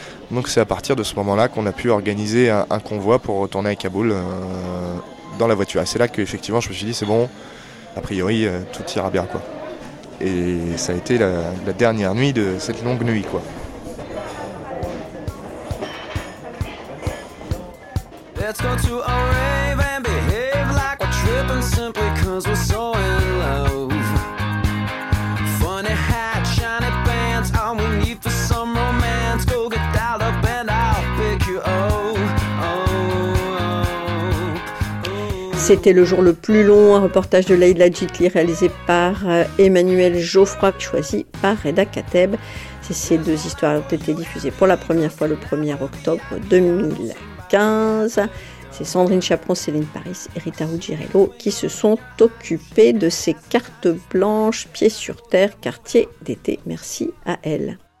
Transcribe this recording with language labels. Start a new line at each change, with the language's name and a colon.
French: Donc c'est à partir de ce moment-là qu'on a pu organiser un convoi pour retourner à Kaboul dans la voiture. Et c'est là qu'effectivement je me suis dit c'est bon, a priori tout ira bien quoi. Et ça a été la dernière nuit de cette longue nuit quoi.
English: Let's go to a rave and behave like we're tripping simply 'cause we're so in love. Funny hat, shiny pants, all we need for some romance. Go get dialed up and I'll pick you up. Oh, oh, oh, oh.
French: C'était le jour le plus long, un reportage de Leïla Djitli réalisé par Emmanuel Geoffroy, choisi par Reda Kateb. Ces deux histoires ont été diffusées pour la première fois le 1er octobre 2000. 15. C'est Sandrine Chaperon, Céline Paris et Rita Ruggirello qui se sont occupées de ces cartes blanches, pieds sur terre, quartier d'été. Merci à elles.